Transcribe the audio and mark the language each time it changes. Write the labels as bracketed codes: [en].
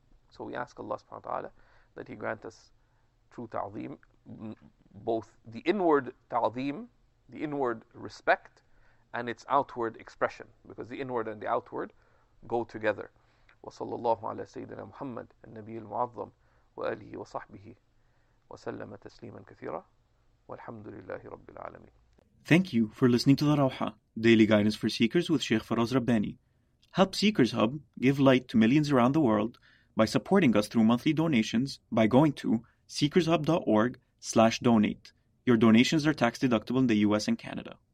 [en] So we ask Allah subhanahu wa ta'ala that He grant us true ta'zeem, both the inward ta'zeem, the inward respect, and its outward expression. Because the inward and the outward go together. [ar] وصلى الله على سيدنا محمد النبي المعظم وآله وصحبه وسلم تسليما كثيرا، والحمد لله رب العالمين. [en] Thank you for listening to The Rauha, Daily Guidance for Seekers with Sheikh Faraz Rabbani. Help Seekers Hub give light to millions around the world by supporting us through monthly donations by going to seekershub.org/donate. Your donations are tax deductible in the US and Canada.